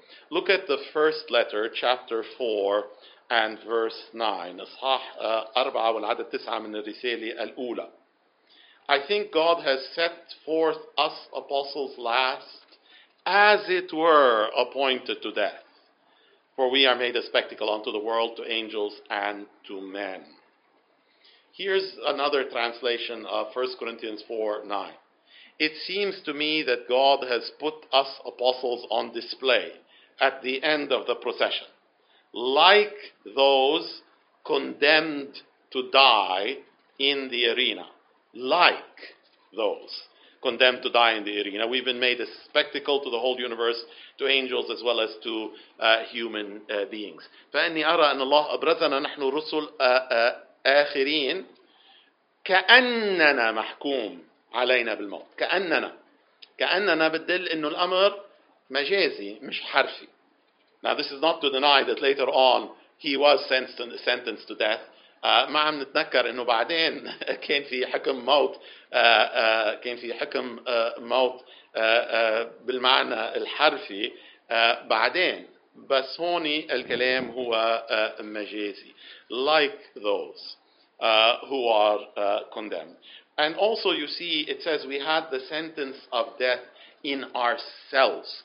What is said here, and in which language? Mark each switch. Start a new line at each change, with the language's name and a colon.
English: Look at the first letter, chapter 4, and verse 9.
Arabic: إصحاح 4 والعدد 9 من الرسالة الأولى.
English: I think God has set forth us apostles last, as it were, appointed to death. For we are made a spectacle unto the world, to angels, and to men. Here's another translation of 1 Corinthians 4, 9. It seems to me that God has put us apostles on display at the end of the procession, like those condemned to die in the arena. Like those condemned to die in the arena. We've been made a spectacle to the whole universe, to angels as well as to human beings.
Arabic: فأني أرى أن الله أبرزنا نحن رسل آخرين كأننا محكوم علينا بالموت. كأننا. كأننا بدل أنه الأمر مجازي مش حرفي.
English: Now this is not to deny that later on he was sentenced to death.
Arabic: ما عم نتنكر إنه بعدين كان في حكم موت بالمعنى الحرفي بعدين بس هون الكلام هو مجازي
English: like those who are condemned. And also you see it says we had the sentence of death in ourselves.